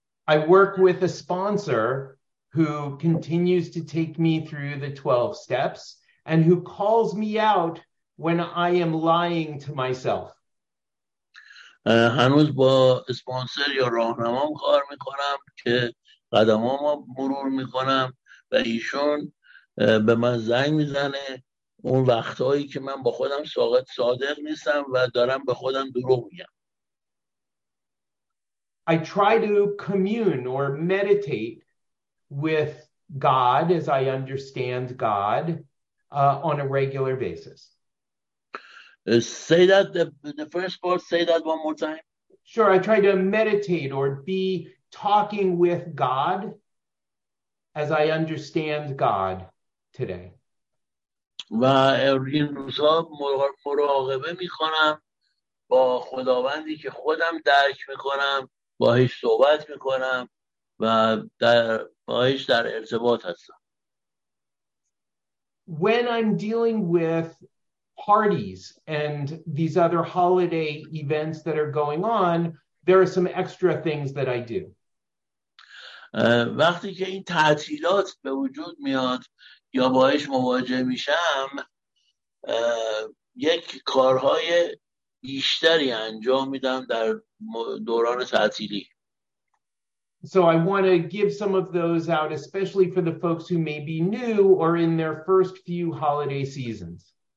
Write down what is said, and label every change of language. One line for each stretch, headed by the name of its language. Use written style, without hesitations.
English: I work with a sponsor who continues to take me through the 12 steps and who calls me out when I am lying to myself.
Persian: هنوز با اسپانسر یا راهنمام کار میکنم که قدمامو مرور میکنم و ایشون به من زنگ میزنه اون وقتهایی که من با خودم صادق نیستم و دارم به خودم دروغ میگم.
English: I try to commune or meditate with God as I understand God on a regular basis. Say that the first part, say that one more time. Sure, I try to meditate or be talking with God as I understand God today.
Persian: و این روزا مراقبه میکنم با خداوندی که خودم درک میکنم باهاش صحبت میکنم و باهاش در ارتباط هستم.
English: When I'm dealing with parties and these other holiday events that are going on, there are some extra things that I do.
Persian: وقتی که این تعطیلات به وجود میاد یا باهاش مواجه میشم یک کارهای بیشتری انجام میدم در دوران تعطیلی.
English: So I want to give some of those out, especially for the folks who may be new or in their first few holiday seasons.